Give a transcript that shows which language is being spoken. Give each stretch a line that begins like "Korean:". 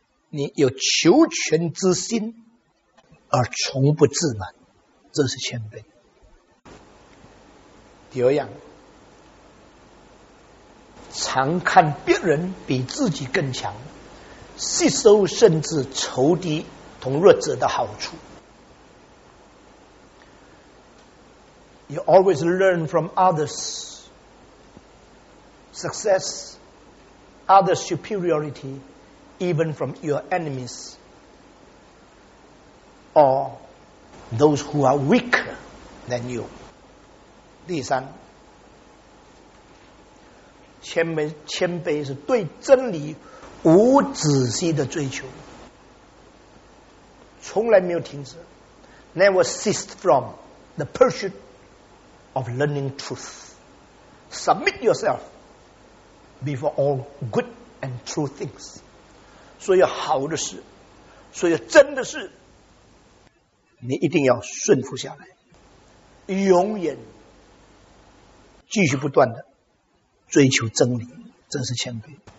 Chinese: 你有求全之心，而从不自满，这是谦卑。第二样，常看别人比自己更强，吸收甚至仇敌同弱者的好处。
English: You always learn from others' success, others' superiority, even from your enemies or those who are weaker than you.
Chinese: 第三，谦卑是对真理无止息的追求，从来没有停止。
English: Never cease from the pursuit of learning truth. Submit yourself before all good and true things.
Chinese: 所有好的事，所有真的事，你一定要顺服下来，永远继续不断的追求真理，真是谦卑。